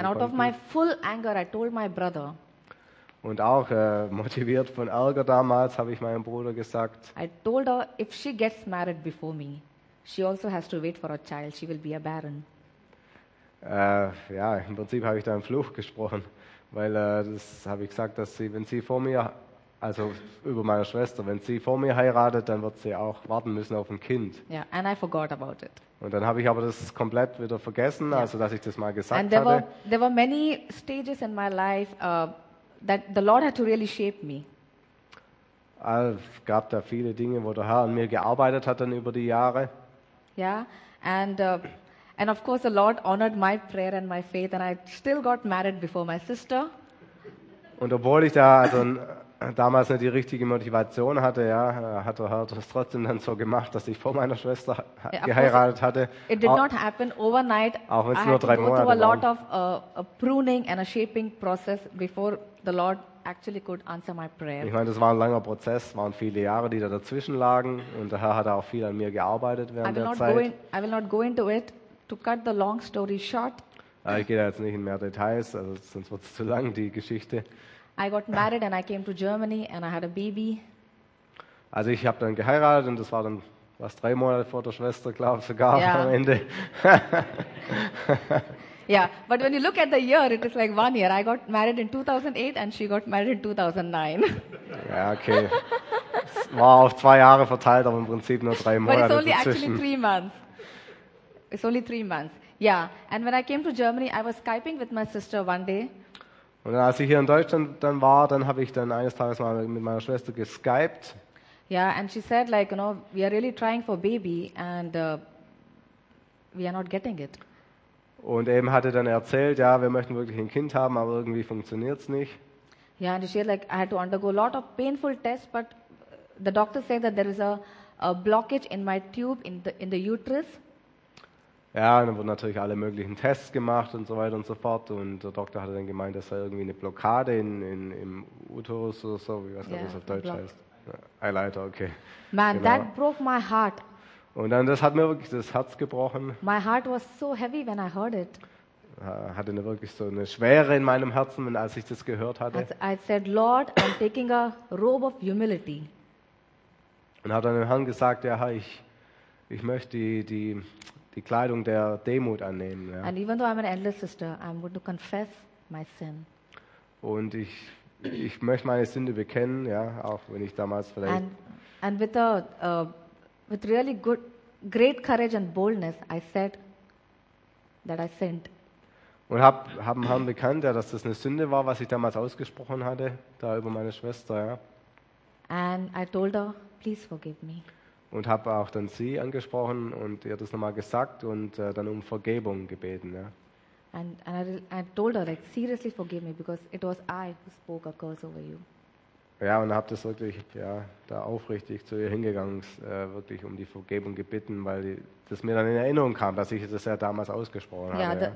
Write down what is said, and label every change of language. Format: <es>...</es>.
<de>konnten.</de> <en>And out of my full anger, I told my brother.</en> <de>Und auch motiviert von Ärger damals, habe ich meinem Bruder gesagt.</de> <en>I told her, if she gets married before me, she also has to wait for a child, she will be a barren.</en> <de>Ja, im Prinzip habe ich da einen Fluch gesprochen. Weil das habe ich gesagt, dass sie, wenn sie vor mir, also über meine Schwester, wenn sie vor mir heiratet, dann wird sie auch warten müssen auf ein Kind.</de> <en>Ja, yeah, and I forgot about it.</en> <de>Und dann habe ich aber das komplett wieder vergessen, yeah. also dass ich das mal gesagt</de> <en>and there</en> <de>hatte.</de> <en>And there were many stages in my life that the Lord had to really shape me.</en> <de>Gab da viele Dinge, wo der Herr an mir gearbeitet hat dann über die Jahre. Ja, yeah.</de> <en>And of course, the Lord honored my prayer and my faith, and I still got married before my sister.</en> <de>Und obwohl ich da also damals nicht die richtige Motivation hatte, ja, hat der Herr das trotzdem dann so gemacht, dass ich vor meiner Schwester geheiratet hatte.</de> <en>It did not happen overnight.</en> <de>Auch wenn es nur 3 Monate waren.</de> <en>I had to go through a lot of a pruning and a shaping process before the Lord actually could answer my prayer.</en> <de>Ich meine, das war ein langer Prozess, waren viele Jahre, die da dazwischen lagen, und der Herr hat auch viel an mir gearbeitet während der Zeit.</de> <en>I will not go into it. To cut the long story short.</en> <de>Ich gehe da jetzt nicht in mehr Details, also sonst wird es zu lang, die Geschichte.</de> <en>I got married and I came to Germany and I had a baby.</en> <de>Also ich habe dann geheiratet und das war dann was 3 Monate vor der Schwester, glaube ich, sogar yeah. am Ende.</de> <en>Yeah, but when you look at the year, it is like 1 year. I got married in 2008 and she got married in 2009. Ja, okay.</en> <de>Es war auf 2 Jahre verteilt, aber im Prinzip nur 3 Monate dazwischen. But</de> <en>it's only actually 3 months. It's only 3 months. Yeah. And when I came to Germany, I was Skyping with my sister one day.</en> <de>Und als ich hier in Deutschland dann war, dann habe ich dann eines Tages mal mit meiner Schwester geskyped.</de> <en>Yeah, and she said, like, you know, we are really trying for baby and we are not getting it.</en> <de>Und eben hatte dann erzählt, ja, wir möchten wirklich ein Kind haben, aber irgendwie funktioniert es nicht.</de> <en>Yeah, and she said, like, I had to undergo a lot of painful tests, but the doctor said that there is a blockage in my tube in the uterus.</en> <de>Ja, und dann wurden natürlich alle möglichen Tests gemacht und so weiter und so fort. Und der Doktor hatte dann gemeint, das sei irgendwie eine Blockade im Uterus oder so, wie weiß ich, yeah, ob das auf Deutsch heißt. Eileiter, okay. Man, genau.</de> <en>That broke my heart.</en> <de>Und dann, das hat mir wirklich das Herz gebrochen.</de> <en>My heart was so heavy when I heard it.</en> <de>Hatte wirklich so eine Schwere in meinem Herzen, als ich das gehört hatte.</de> <en>I said, Lord, I'm taking a robe of humility.</en> <de>Und hat dann dem Herrn gesagt, ja, ich möchte die Kleidung der Demut annehmen. Ja.</de> <en>And even though I'm an endless sister, I'm going to confess my sin.</en> <de>Und ich möchte meine Sünde bekennen, ja, auch wenn ich damals vielleicht.</de> <en>And with a with really good, great courage and boldness, I said that I sinned.</en> <de>Und hab dem Herrn bekannt, ja, dass das eine Sünde war, was ich damals ausgesprochen hatte, da über meine Schwester, ja.</de> <en>And I told her, please forgive me.</en> <de>Und habe auch dann sie angesprochen und ihr das nochmal gesagt und dann um Vergebung gebeten. Ja.</de> <en>And I told her, like, seriously forgive me, because it was I who spoke a curse over you.</en> <de>Ja, und habe das wirklich, ja, da aufrichtig zu ihr hingegangen, wirklich um die Vergebung gebeten, weil das mir dann in Erinnerung kam, dass ich das ja damals ausgesprochen habe.</de>